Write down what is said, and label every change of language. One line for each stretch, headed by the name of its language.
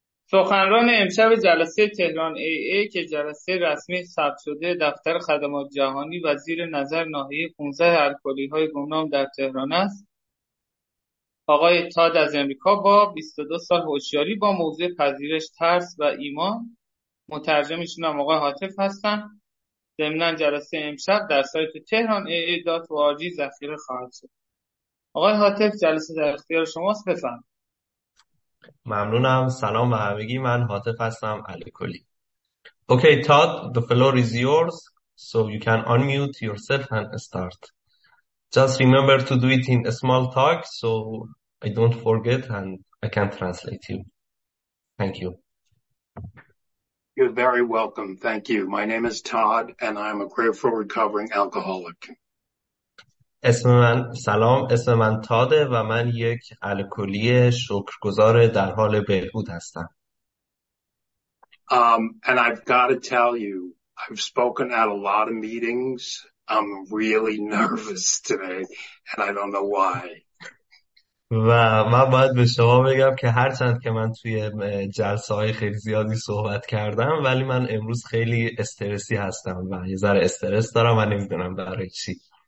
Persian: سخنران امشب جلسه تهران AA که جلسه رسمی ثبت شده دفتر خدمات جهانی و زیر نظر ناحیه 15 الکلی های گمنام در تهران است، آقای تاد از امریکا با 22 سال هوشیاری با موضوع پذیرش ترس و ایمان، مترجمشون هم آقای حاتف هستن. ضمناً جلسه امشب در سایت تهران AA.org ذخیره خواهد شد. آقای حاتف، جلسه در اختیار شماست، بفرمایید. ممنونم. سلام به همگی، من هاتف هستم، علی کلی.
English: Okay Tod, the floor is yours so you can unmute yourself and start. Just remember to do it in a small talk so I don't forget and I can translate you. Thank you. You're very welcome. Thank you. My name is Tod and I'm a grateful recovering alcoholic.
Persian: اسم من سلام اسم من تاده و من یک الکلی شکرگزار در حال بهبود هستم.
English: And I've got to tell you, I've spoken at a lot of meetings. I'm really nervous today and I don't know why.
Persian: و من باید به شما بگم که هرچند که من توی جلسه های خیلی زیادی صحبت کردم ولی من امروز خیلی استرسی هستم و یه ذره استرس دارم و نمیدونم برای چی.